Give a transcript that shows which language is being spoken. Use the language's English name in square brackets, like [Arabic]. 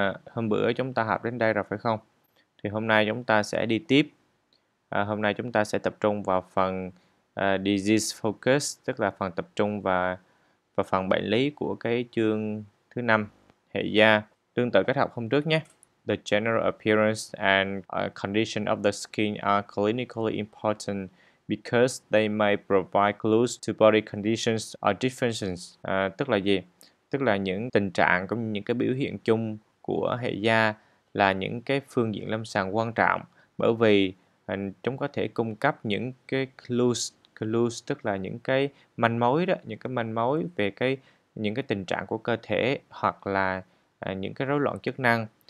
[Vietnamese] Hôm bữa chúng ta học đến đây rồi phải không? Thì hôm nay chúng ta sẽ đi tiếp. Hôm nay chúng ta sẽ tập trung vào phần disease focus, tức là phần tập trung và phần bệnh lý của cái chương thứ năm hệ da, tương tự cách học hôm trước nhé. [English] The general appearance and condition of the skin are clinically important because they may provide clues to body conditions or differences. [Vietnamese] Tức là gì? Tức là những tình trạng cũng như những cái biểu hiện chung của hệ da là những cái phương diện lâm sàng quan trọng, bởi vì chúng có thể cung cấp những cái clues, tức là những cái manh mối đó, những cái manh mối về cái những cái tình trạng của cơ thể hoặc là những cái rối loạn chức năng.